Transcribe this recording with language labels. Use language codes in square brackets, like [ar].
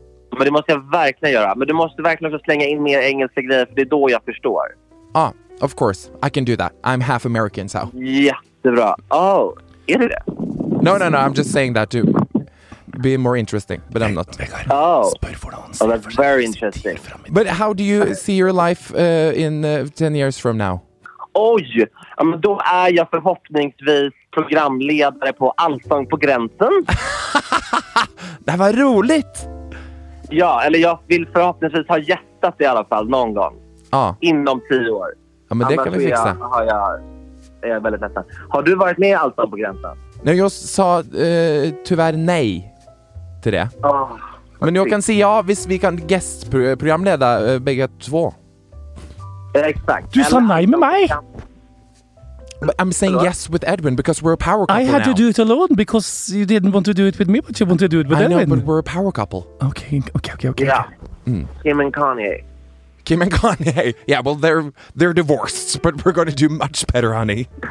[sv] Men det måste jag verkligen göra. Men du måste verkligen också slänga in mer engelska grejer, för det är då jag förstår. [en] Ja, ah, of course, I can do that. I'm half American, so. [sv] Yeah. Bra. Oh, är det? [en] No, I'm just saying that to be more interesting, but I'm not. Oh, that's very interesting. But how do you see your life in 10 years from now? [sv] Oj, då är jag förhoppningsvis programledare på Allsång på gränsen. Det var roligt! Ja, eller jag vill förhoppningsvis ha gästat i alla fall någon gång. Ja. Inom 10 år. Ja, men det kan vi fixa. Är väldigt lättare. Har du varit med i Allsång på gränsen? Nej, jag sa tyvärr nej till det. Oh, men jag kan säga ja, visst vi kan gästprogramleda bägge två. Exakt. Du sa nej med mig. [en] But I'm saying yes with Edwin because we're a power couple. I had now. To do it alone because you didn't want to do it with me, but you want to do it with I Edwin. I know, but we're a power couple. Okay. Yeah. Kim and Kanye. Kim and Kanye. Yeah, well, they're divorced, but we're going to do much better, honey.